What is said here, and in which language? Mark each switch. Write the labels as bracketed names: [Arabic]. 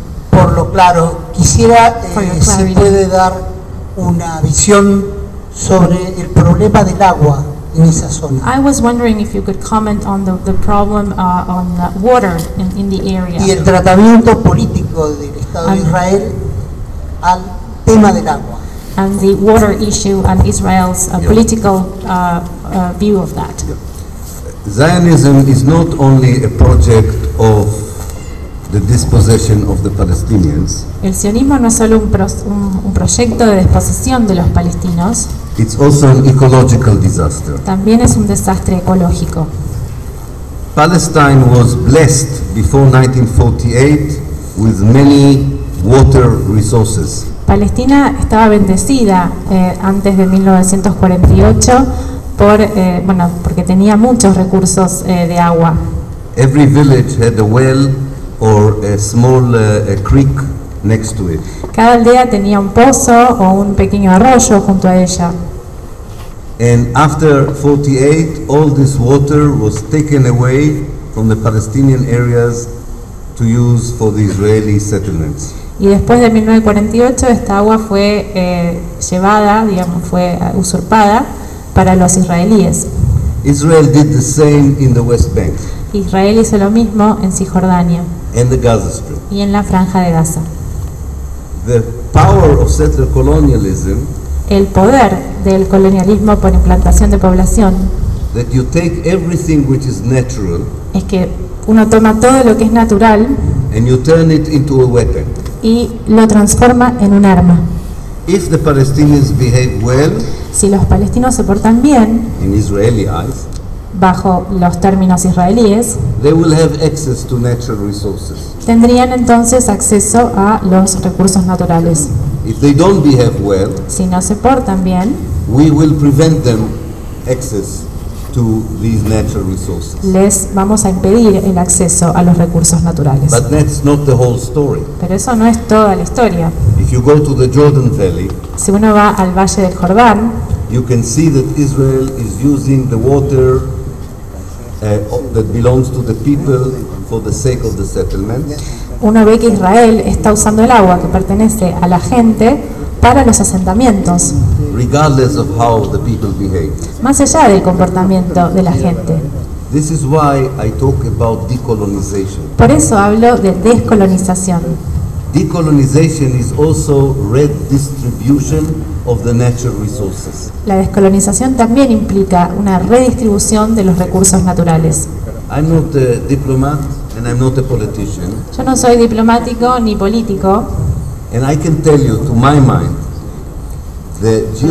[Spanish] Por lo claro, quisiera si puede dar una visión sobre el problema del agua en esa zona. [English] I was wondering if you could comment on the problem on the water in the area. [Spanish] Y el tratamiento político del Estado de Israel al tema del agua. [English] And the water issue and Israel's political view of that. Zionism is not only a project of the dispossession of the Palestinians. [Spanish] El sionismo no es solo un proyecto de desposesión de los palestinos. [English] It's also an ecological disaster. [Spanish] También es un desastre ecológico. [English] Palestine was blessed before 1948 with many water resources. [Spanish] Palestina estaba bendecida antes de 1948 por bueno, porque tenía muchos recursos de agua. [English] Every village had a well or a small a creek next to it. [Spanish] Cada aldea tenía un pozo o un pequeño arroyo junto a ella. [English] And after 48 all this water was taken away from the Palestinian areas to use for the Israeli settlements. [Spanish] Y después de 1948 esta agua fue llevada, digamos, fue usurpada para los israelíes. [English] Israel did the same in the West Bank. [Spanish] Israel hizo lo mismo en Cisjordania. [English] And the Gaza Strip. [Spanish] Y en la franja de Gaza. [English] The power of settler colonialism. [Spanish] El poder del colonialismo por implantación de población. [English] That you take everything which is natural. [Spanish] Es que uno toma todo lo que es natural. [English] And you turn it into a weapon. [Spanish] Y lo transforma en un arma. [English] If the Palestinians behave well, [Spanish] si los palestinos se portan bien, [English] in Israeli eyes, [Spanish] bajo los términos israelíes, [English] they will have access to natural resources. [Spanish] Tendrían entonces acceso a los recursos naturales. [English] If they don't behave well, [Spanish] si no se portan bien, [English] we will prevent them access to these natural resources. [Spanish] Les vamos a impedir el acceso a los recursos naturales. [English] But that's not the whole story. [Spanish] Pero eso no es toda la historia. [English] If you go to the Jordan Valley, [Spanish] si uno va al Valle del Jordán, [English] you can see that Israel is using the water that belongs to the people for the sake of the settlement. [Spanish] Uno ve que Israel está usando el agua que pertenece a la gente para los asentamientos. [English] regardless of how the people behave. [Spanish] Más allá del comportamiento de la gente. [English] This is why I talk about decolonization. [Spanish] Por eso hablo de descolonización. [English] Decolonization is also redistribution of the natural resources. [Spanish] La descolonización también implica una redistribución de los recursos naturales. [English] I'm not a diplomat and I'm not a politician. [Spanish] Yo no soy diplomático ni político. [English] And I can tell you, to my mind, the